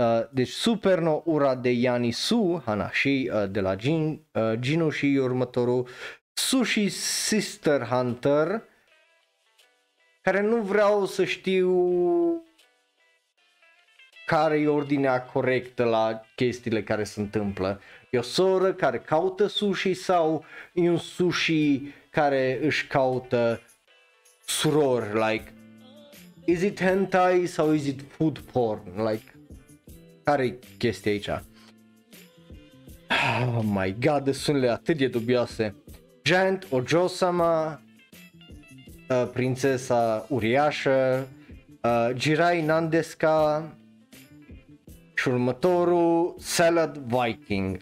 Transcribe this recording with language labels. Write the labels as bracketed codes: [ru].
[ro] Deci Supernoura de Yani Su, Hanashi, de la Jin, Jinu, și următorul Sushi Sister Hunter, care nu vreau să știu care e ordinea corectă la chestiile care se întâmplă. E o soră care caută sushi sau e un sushi care își caută suror? [en] Like, is it hentai [ro] sau [en] is it food porn? [ro] Like, care e chestia aici? [en] Oh my god, [ro] sunele atât de dubioase. Giant Ojo-sama, prințesa uriașă, Jirai Nandesuka, și următorul Salad Viking.